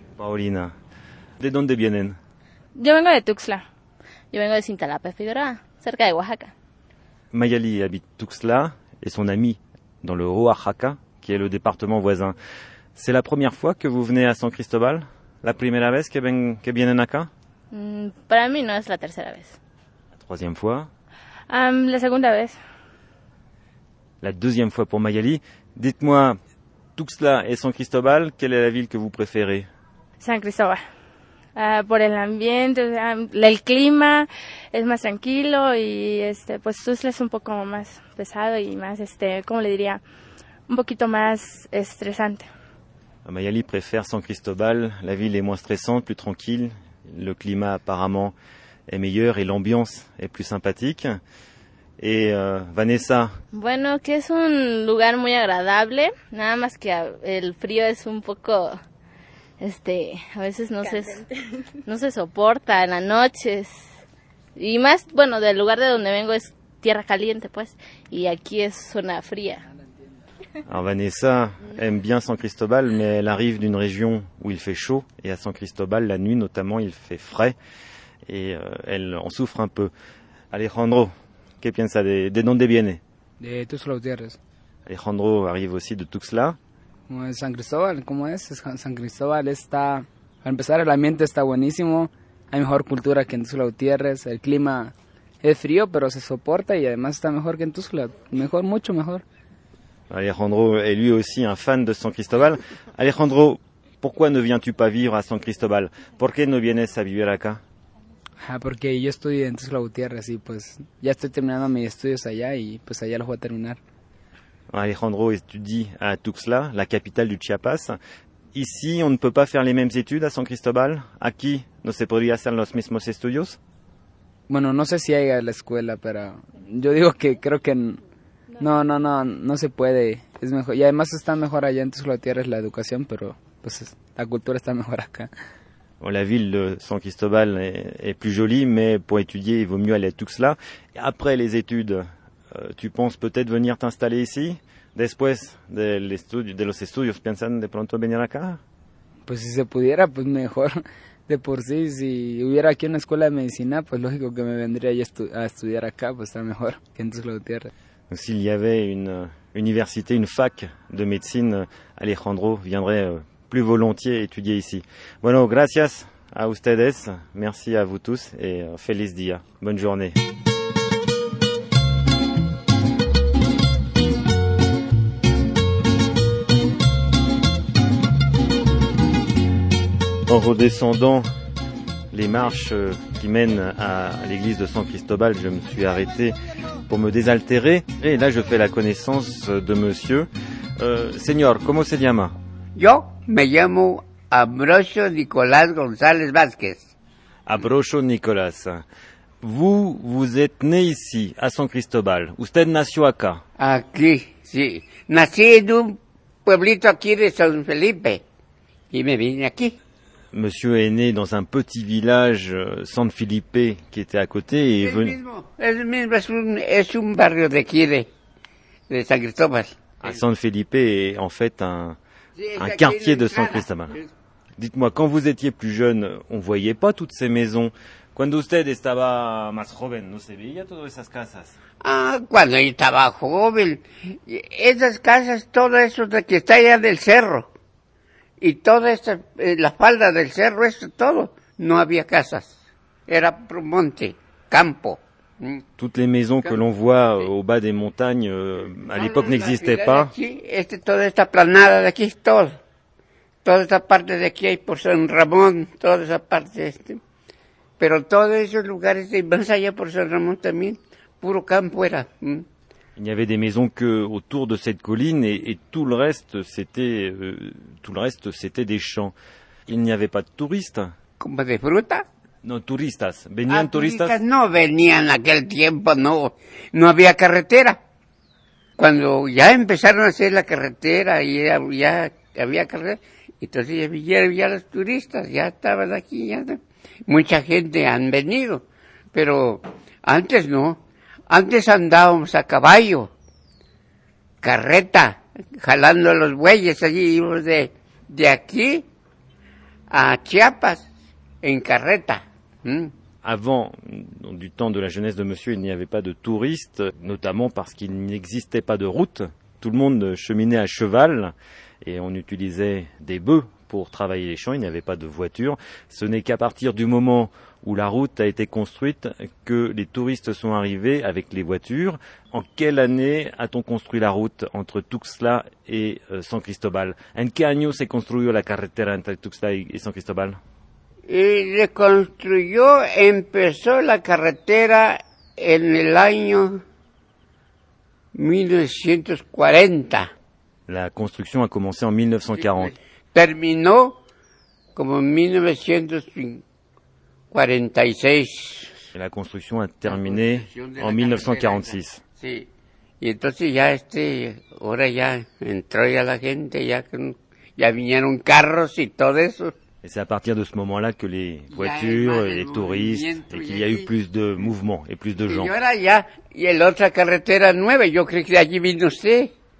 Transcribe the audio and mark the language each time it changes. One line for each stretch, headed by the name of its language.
Spanish: Paulina. ¿De dónde vienen? Yo vengo de Tuxtla. Yo vengo de Cintalapa, Figueroa, cerca de Oaxaca.
French: Mayali habite Tuxtla et son ami dans le Oaxaca, qui est le département voisin. ¿C'est la première fois que vous venez à San Cristobal?
Spanish: ¿La primera vez que vienen acá? Para mí no es la tercera vez.
French: ¿La troisième fois?
Spanish: La segunda vez.
French: La deuxième fois pour Mayali. Dites-moi, Tuxtla et San Cristobal, quelle est la ville que vous préférez?
Spanish: San Cristobal. Por el ambiente, el clima es más tranquilo y pues Tuxtla es un poco más pesado y más, ¿cómo le diría? Un poquito más estresante.
French: Mayali préfère San Cristobal, la ville est moins stressante, plus tranquille, le climat apparemment est meilleur et l'ambiance est plus sympathique. Et Vanessa?
Spanish: Bueno, que es un lugar muy agradable, nada más que el frío es un poco, a veces no se soporta en las noches. Y más, bueno, del lugar de donde vengo es tierra caliente, pues, y aquí es zona fría.
French: Alors Vanessa aime bien San Cristobal, mais elle arrive d'une région où il fait chaud. Et à San Cristobal, la nuit notamment, il fait frais. Et elle en souffre un peu.
Spanish: Alejandro, ¿qué piensa de dónde viene? De Tuxtla Gutiérrez.
French: Alejandro arrive aussi de Tuxtla.
Spanish: San Cristobal, ¿cómo es? San Cristobal está... Para empezar, el ambiente está buenísimo. Hay mejor cultura que en Tuxtla Gutiérrez. El clima es frío, pero se soporta y además está mejor que en Tuxtla. Mejor, mucho mejor.
French: Alejandro est lui aussi un fan de San Cristobal. Alejandro, pourquoi ne viens-tu pas vivre à San Cristobal?
Spanish: ¿Por qué no vienes a vivir acá? Ah, porque yo estudio en Tuxtla Gutiérrez y pues ya estoy terminando mis estudios allá y pues allá los voy a terminar.
French: Alejandro étudie à Tuxtla, la capitale du Chiapas. Ici, on ne peut pas faire les mêmes études à San Cristobal.
Spanish: Aquí no se podría hacer los mismos estudios. Bueno, no sé si hay a la escuela, pero yo digo que creo que no se puede. Es mejor y además está mejor allá en Tuxtla Gutiérrez la educación, pero pues la cultura está mejor acá.
French: Bon, la ville de San Cristobal est plus jolie, mais pour étudier, il vaut mieux aller à Tuxtla. Et après les études, tu penses peut-être venir t'installer ici?
Spanish: Después de los estudios, ¿piensan de pronto venir acá? Pues si se pudiera, pues mejor. De por sí, si hubiera aquí una escuela de medicina, pues lógico que me vendría a estudiar acá, pues está mejor que en Tuxtla Gutiérrez.
French: Si il y avait une université, une fac de médecine, Alejandro viendrait plus volontiers étudier ici.
Spanish: Bueno, gracias a ustedes,
French: merci à vous tous et
Spanish: feliz día.
French: Bonne journée. En redescendant les marches qui mènent à l'église de San Cristobal, je me suis arrêté pour me désaltérer. Et là, je fais la connaissance de monsieur.
Spanish: Señor, ¿cómo se llama? Yo me llamo Ambrosio Nicolás González Vázquez. Ambrosio Nicolás.
French: Vous êtes né ici, à San Cristobal.
Spanish: Usted nació acá. Aquí, sí. Nací en un pueblito aquí de San Felipe. Y me vine aquí.
French: Monsieur est né dans un petit village, San Felipe, qui était à côté et est venu.
Spanish: Es un barrio de aquí de San Cristobal.
French: À San Felipe est en fait un quartier de San Cristobal. Dites-moi, quand vous étiez plus jeune, on voyait pas toutes ces maisons.
Spanish: Cuando usted estaba más joven, no se veía todas esas casas. Ah, cuando estaba joven, esas casas, todo eso de que está allá del cerro. Y toda esta, la falda del cerro, eso todo, no había casas. Era monte, campo.
French: Toutes les maisons que l'on voit au bas des montagnes, à l'époque n'existaient pas.
Spanish: Aquí, toda esta planada de aquí, todo. Toda esta parte de aquí hay por San Ramón, toda esa parte. Pero todos esos lugares, más allá por San Ramón también, puro campo era.
French: Il n'y avait des maisons que autour de cette colline et tout le reste c'était des champs. Il n'y avait pas de touristes.
Spanish: Como de fruta?
French: Non,
Spanish: turistas. Venían turistas? No venían aquel tiempo, no había carretera. Cuando ya empezaron a hacer la carretera y ya había carretera, entonces ya vinieron ya los turistas, ya estaban aquí, ya mucha gente han venido, pero antes no. Antes andábamos a caballo, carreta, jalando los bueyes allí, íbamos de aquí a Chiapas en carreta.
French: Avant, du temps de la jeunesse de monsieur, il n'y avait pas de touristes, notamment parce qu'il n'existait pas de route. Tout le monde cheminait à cheval et on utilisait des bœufs pour travailler les champs, il n'y avait pas de voiture. Ce n'est qu'à partir du moment où la route a été construite, que les touristes sont arrivés avec les voitures. En quelle année a-t-on construit la route entre Tuxtla et San Cristobal?
Spanish: En qué año se construyó la carretera entre Tuxtla y San Cristobal? Il se construyó, empezó la carretera en el año 1940.
French: La construction a commencé en 1940.
Spanish: Terminó como 1950. 46.
French: La construction a terminé en 1946.
Spanish: Sí. Y entonces ya ahora ya entró ya la gente, ya vinieron carros y todo eso.
French: Et c'est à partir de ce moment-là que les voitures et les touristes et qu'il y a eu plus de mouvement et plus de gens.
Spanish: Y ahora ya y el otra carretera nueva, yo creo que de allí vino usted.